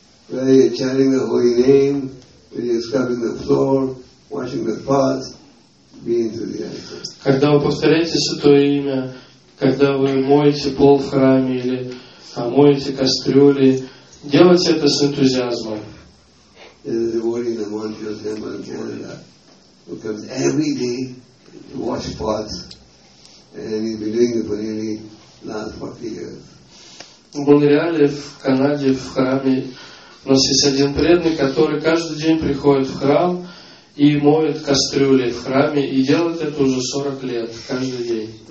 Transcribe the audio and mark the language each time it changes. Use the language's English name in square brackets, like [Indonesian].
[English] When you're chanting the holy name, when you're scrubbing the floor, washing the pots, be enthusiastic. [Russian] Когда вы повторяете святое имя, когда вы моете пол в храме или моете кастрюли, делайте это с энтузиазмом. [English] There's a devotee in the Montreal Temple in Canada who comes every day to wash pots, and he's been doing it for nearly last 40 years. [Russian] В Монреале, в Канаде, в храме у нас есть один преданный, который каждый день приходит в храм и моет кастрюли в храме и делает это уже 40 лет каждый день.